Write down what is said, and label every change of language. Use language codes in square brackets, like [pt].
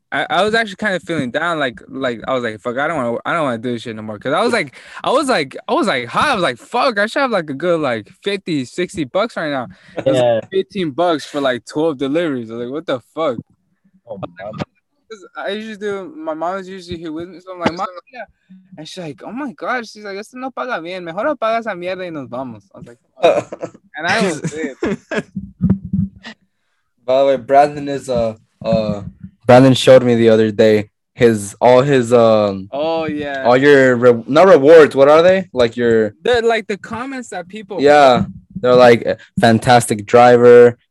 [en] I was actually kind of feeling down. Like I was like, fuck. I don't want to do this shit no more. Cause I was like high. I was like, fuck. I should have like a good like 50, 60 bucks right now. It was yeah. Like 15 bucks for like 12 deliveries. I was like, what the fuck? Cause I usually do. My mom is usually here with me, so I'm like, mom. Yeah. And she's like, oh my gosh. She's like, [es] esto no paga bien. Mejor no paga esa mierda y nos vamos. [en] I was like. And I was By the way, Brandon is Brandon showed me the other day all your rewards. What are they? Like your they're like the comments that people yeah write. They're like fantastic driver.